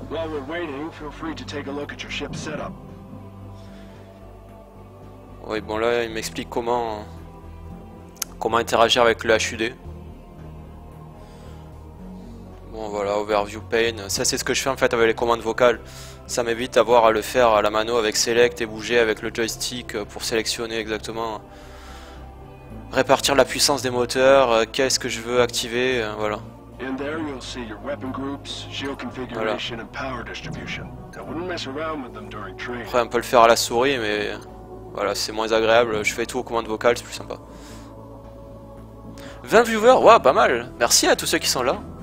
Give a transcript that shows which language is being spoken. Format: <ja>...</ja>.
<en>While we're waiting, feel free to take a look at your ship setup.</en> <fr>Oui, bon là il m'explique comment interagir avec le HUD. Bon voilà, overview pane, ça c'est ce que je fais en fait avec les commandes vocales. Ça m'évite d'avoir à le faire à la mano avec select et bouger avec le joystick pour sélectionner exactement répartir la puissance des moteurs, qu'est-ce que je veux activer, voilà.</fr> <en>In there, you'll see your weapon groups, shield configuration, and power distribution. I wouldn't mess around with them during training.</en> <fr>Après, on peut le faire à la souris, mais voilà, c'est moins agréable. Je fais tout aux commandes vocales, c'est plus sympa. 20 viewers, waouh, pas mal. Merci à tous ceux qui sont là.</fr>